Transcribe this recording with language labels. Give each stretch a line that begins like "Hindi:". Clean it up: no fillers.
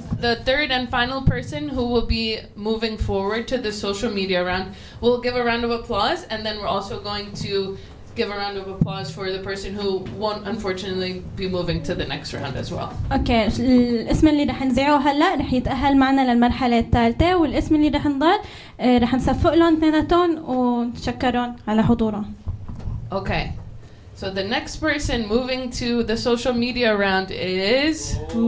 English: The third and final person who will be moving forward to the social media round, we'll give a round of applause, and then we're also going to give a round of applause for the person who won't unfortunately be moving to the next round as well.
Arabic: Okay, الاسم اللي رح نزعه هلا رح يتأهل معنا للمرحلة الثالثة والاسم اللي رح نضل رح نصفق لهم اثنيناتهم ونشكرهم على حضورهم.
English: Okay. So the next person moving to the social media round is...